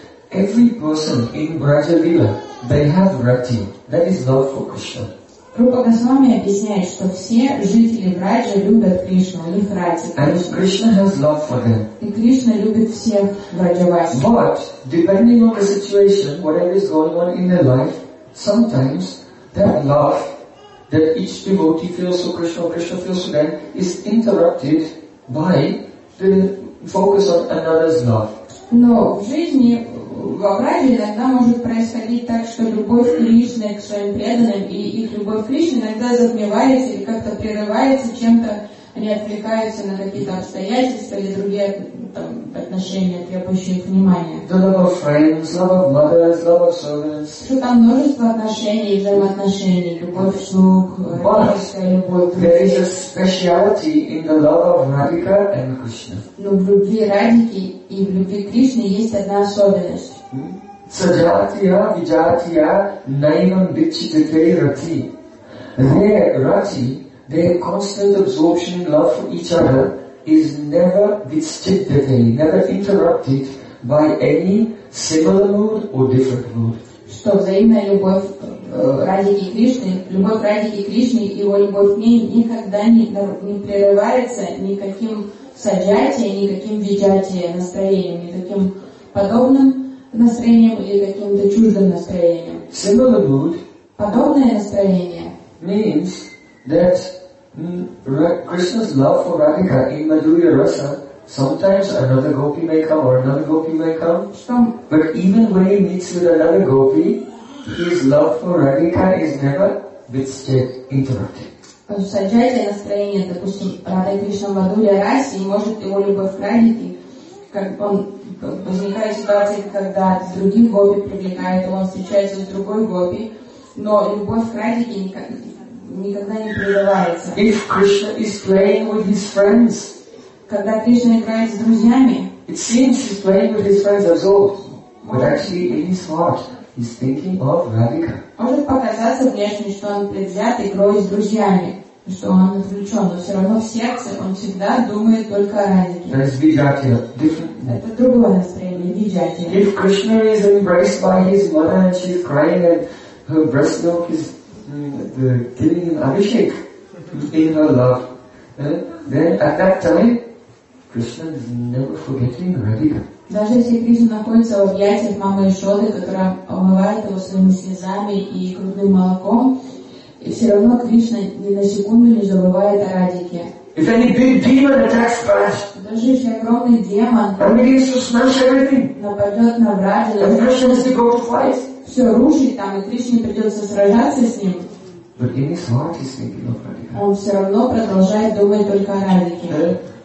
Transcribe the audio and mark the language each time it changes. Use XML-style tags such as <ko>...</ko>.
<en>Every person in Brajalila, they have rati, that is love for Krishna.</en> <ru>Rupa Goswami объясняет, что все жители Бража любят Кришну, у них рати.</ru> <en>And Krishna has love for them.</en> <ru>И Кришна любит всех Враджаваси.</ru> <en>But depending on the situation, whatever is going on in their life, sometimes that love that each devotee feels for Krishna or Krishna feels for them is interrupted by the focus on another's love.</en> <ru>Но в жизни в Абраде иногда может происходить так, что любовь Кришны к своим преданным и их любовь Кришны иногда затмевается или как-то прерывается чем-то, они отвлекаются на какие-то обстоятельства или другие там, отношения, требующие их внимания.</ru> <en>The love of friends, love of mothers, love of servants.</en> <ru>Что там множество отношений и взаимоотношений, любовь слуг, родительская любовь.</ru> <en>But there is a speciality in the love of Radhika and Krishna.</en> <ru>Но в любви Радхики и в любви Кришны есть одна особенность.</ru> <sa>Саджатия, виджатия, наивам бичитате рати.</sa> <en>Where рати, their constant absorption in love for each other is never vichidyate, never interrupted by any similar mood or different mood.</en> <ru>Что взаимная любовь Радхики и Кришны, любовь Радхики и Кришны, его любовь к ней никогда не прерывается никаким саджатия, никаким виджатия настроением, никаким подобным настроением или каким-то чуждым настроением.</ru> <en>Similar mood</en> <ru>подобное настроение</ru> <en>means that Krishna's love for Radhika in Madhurya Rasa, sometimes another gopi may come or another gopi may come. But even when he meets with another gopi, his love for Radhika is never withstood, interrupted.</en> <ru>В саджате настроение, допустим, Радха Кришна в Мадхурья Расе, и может его любовь к Радхике, как он возникает ситуация, когда с другим гопи привлекает, он встречается с другой гопи, но любовь к Радхике никогда не прерывается.</ru> <en>If Krishna is playing with his friends,</en> <ru>когда Кришна играет с друзьями,</ru> <en>it seems he's playing with his friends as well, but actually in his heart he's thinking of Radhika.</en> <ru>Может показаться внешне, что он предвзят игрой с друзьями, что он отвлечен, но все равно в сердце он всегда думает только о Радхике.</ru> <en>That is Vijatya, different,</en> <ru>Это другое настроение, виджатия.</ru> <en>If Krishna is embraced by his mother and she's crying and her breast milk is giving him abhishek in her love, then at that time Krishna is never forgetting Radhika.</en> <ru>Даже если Кришна находится в объятиях мамы Ишоды, которая омывает его своими слезами и грудным молоком, и все равно Кришна ни на секунду не забывает о Радике.</ru> <en>If any big demon attacks Krishna,</en> <ru>даже если огромный демон,</ru> <en>and begins to smash everything,</en> <ru>нападет на Радику,</ru> <en>and Krishna has to go to fight,</en> <ru>все рушит там, и Кришне придется сражаться с ним.</ru> <en>But in his heart, he's thinking of Radhika.</en> <ru>Он все равно продолжает думать только о Радике.</ru>